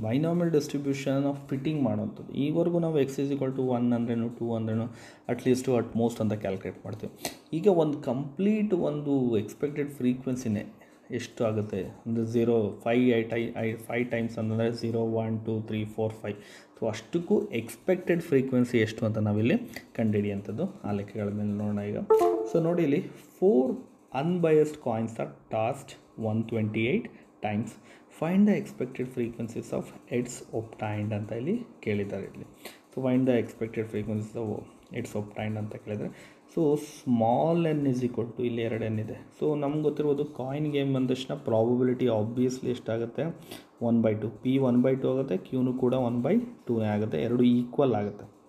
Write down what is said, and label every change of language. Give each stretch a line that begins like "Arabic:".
Kannada: ಬೈನಾಮಿಲ್ distribution of fitting ಮಾಡೋವಂಥದ್ದು. ಈವರೆಗೂ ನಾವು X is equal to 1 ಅಂದ್ರೂ 2 ಅಂದ್ರೂ ಅಟ್ಲೀಸ್ಟ್ ಅಟ್ ಮೋಸ್ಟ್ ಅಂತ ಕ್ಯಾಲ್ಕುಲೇಟ್ ಮಾಡ್ತೀವಿ. ಈಗ ಒಂದು ಕಂಪ್ಲೀಟ್ ಒಂದು ಎಕ್ಸ್ಪೆಕ್ಟೆಡ್ ಫ್ರೀಕ್ವೆನ್ಸಿನೇ ಎಷ್ಟು ಆಗುತ್ತೆ ಅಂದರೆ 0, 5 times ಅಂತಂದರೆ 0, 1, 2, 3, 4, 5. ಸೊ ಅಷ್ಟಕ್ಕೂ ಎಕ್ಸ್ಪೆಕ್ಟೆಡ್ ಫ್ರೀಕ್ವೆನ್ಸಿ ಎಷ್ಟು ಅಂತ ನಾವಿಲ್ಲಿ ಕಂಡುಹಿಡಿಯಂಥದ್ದು ಆ ಲೆಕ್ಕಗಳ ಮೇಲೆ ನೋಡೋಣ ಈಗ. ಸೊ ನೋಡಿ ಇಲ್ಲಿ
English: 4 unbiased coins are tossed 128 times. Find the expected frequencies of heads obtained
Kannada: ಅಂತ ಇಲ್ಲಿ ಕೇಳಿದ್ದಾರೆ ಇಲ್ಲಿ.
English: so find the expected frequencies of heads obtained
Kannada: ಅಂತ ಕೇಳಿದರೆ,
English: So small n is equal to ಇಲ್ಲಿ 2n ಇದೆ.
Kannada: ಸೊ ನಮ್ಗೆ ಗೊತ್ತಿರ್ಬೋದು ಕಾಯಿನ್ ಗೇಮ್ ಬಂದ ತಕ್ಷಣ ಪ್ರಾಬಿಲಿಟಿ ಆಬ್ವಿಯಸ್ಲಿ ಎಷ್ಟಾಗುತ್ತೆ 1/2. ಪಿ 1/2 ಆಗುತ್ತೆ, ಕ್ಯೂನು ಕೂಡ 1/2 ಆಗುತ್ತೆ, ಎರಡು ಈಕ್ವಲ್ ಆಗುತ್ತೆ.